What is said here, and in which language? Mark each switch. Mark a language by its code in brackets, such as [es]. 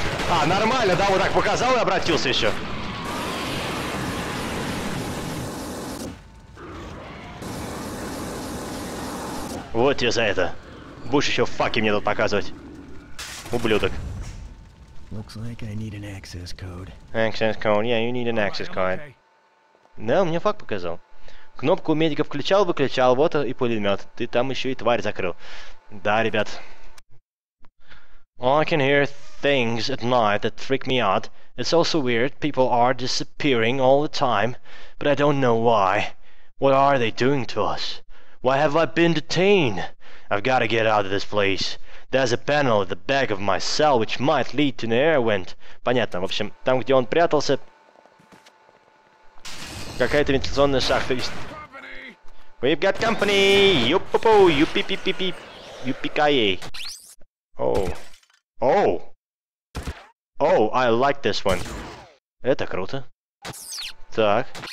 [ru] А, нормально, да, вот так показал и обратился еще. Вот тебе за это. Будешь еще факи мне тут показывать. Ублюдок. [en] Looks like I need an access code. Access code, yeah, you need an access code. [ru] Да, мне факт показал. Кнопку у медика включал-выключал, вот и пулемет. Ты там еще и тварь закрыл. Да, ребят. [en] I can hear things at night that freak me out. It's also weird, people are disappearing all the time. But I don't know why. What are they doing to us? Why have I been detained? I've gotta get out of this place. There's a panel at the back of my cell, which might lead to an air vent. [ru] Понятно, в общем, там, где он прятался... Какая-то вентиляционная шахта есть. [en] We've got company! Юп-пу-пу! Юпи-пи-пи-пи! Юпи-ка-ей! Оу! Оу! Оу, I like this one. [ru] Это круто. Так.